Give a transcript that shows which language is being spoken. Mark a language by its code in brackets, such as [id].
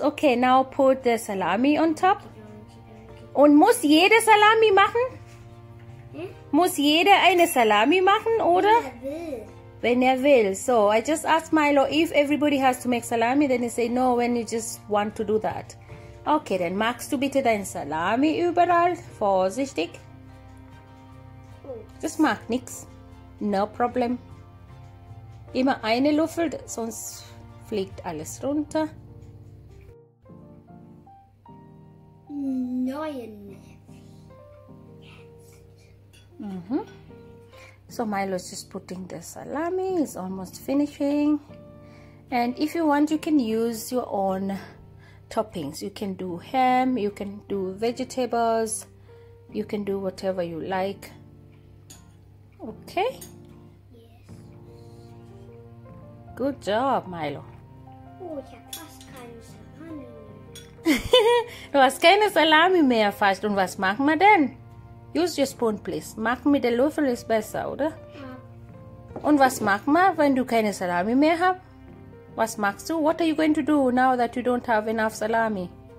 [en] Okay, now put the salami on top. [de] Und muss jede Salami machen? Muss jeder eine Salami machen, oder? Wenn er will. Wenn er will. [en] So, I just asked Milo if everybody has to make salami. Then he said, no, when you just want to do that. [de] Okay, dann machst du bitte dein Salami überall. Vorsichtig. Das macht nichts. [en] No problem. [de] Immer eine Löffel, sonst fliegt alles runter. Neuen. Mhm. [en] So Milo is just putting the salami, it's almost finishing. And if you want, you can use your own toppings. You can do ham, you can do vegetables, you can do whatever you like. Okay? Good job, Milo. [de] Oh, ich habe fast keine Salami mehr. Du hast keine Salami mehr fast. Und was machen wir denn? [en] Use your spoon, please. [de] Machen mit der Löffel ist besser, oder? Ja. Und was machen wir, wenn du keine Salami mehr hast? Was machst du? [en] What are you going to do now that you don't have enough Salami?